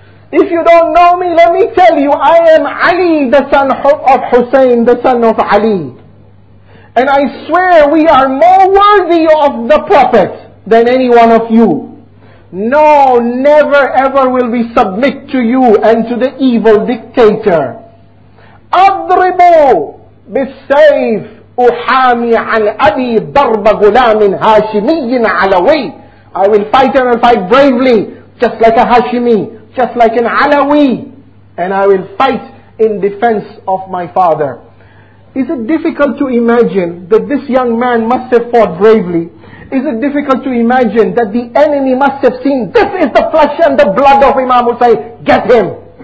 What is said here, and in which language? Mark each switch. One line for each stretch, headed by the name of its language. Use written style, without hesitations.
English: If you don't know me, let me tell you, I am Ali, the son of Husayn, the son of Ali. And I swear we are more worthy of the Prophet than any one of you. No, never ever will we submit to you and to the evil dictator.
Arabic: أضربوا بالسيف أحامي عن أبي ضرب غلام هاشمي علوي.
English: I will fight and I'll fight bravely, just like a Hashimi, just like an Alawi. And I will fight in defense of my father. Is it difficult to imagine that this young man must have fought bravely? Is it difficult to imagine that the enemy must have seen, this is the flesh and the blood of Imam Hussein, get him?